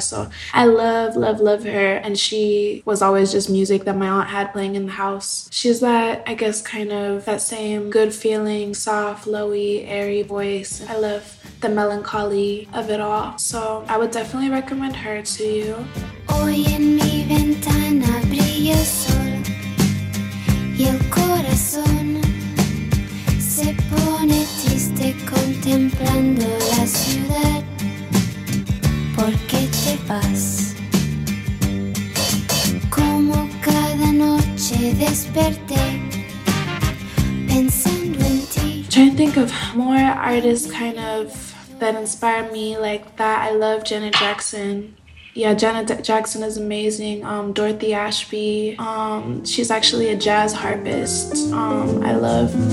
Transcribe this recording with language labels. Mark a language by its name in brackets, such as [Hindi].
[English] So I love, love, love her. And she was always just music that my aunt had playing in the house. She's that, I guess, kind of that same good feeling, soft, lowy, airy voice. I love the melancholy of it all. So I would definitely recommend her to you. [Spanish] Hoy en mi ventana brilla el sol y el corazón se pone triste contemplando la ciudad. ¿Por qué te vas? Como cada noche desperté pensando en ti. [English] Trying to think of more artists kind of that inspire me like that. I love Janet Jackson. Yeah, Janet Jackson is amazing. Dorothy Ashby, she's actually a jazz harpist. I love.